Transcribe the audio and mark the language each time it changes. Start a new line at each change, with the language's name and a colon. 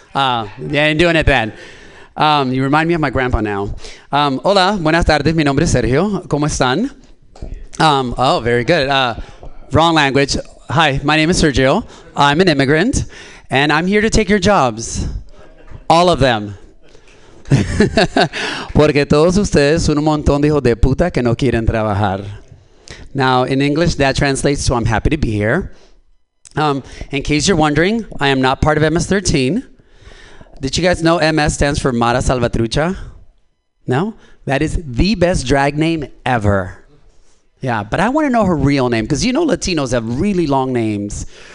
English: Yeah, I'm doing it then. You remind me of my grandpa now.
Spanish: Hola, buenas tardes. Mi nombre es Sergio. ¿Cómo están?
English: Very good. Wrong language. Hi, my name is Sergio. I'm an immigrant, and I'm here to take your jobs. All of them.
Spanish: Porque todos ustedes son un montón de hijos de puta que no quieren trabajar.
English: Now, in English, that translates to I'm happy to be here. In case you're wondering, I am not part of MS-13. Did you guys know MS stands for Mara Salvatrucha? No? That is the best drag name ever. Yeah, but I want to know her real name, because you know Latinos have really long names.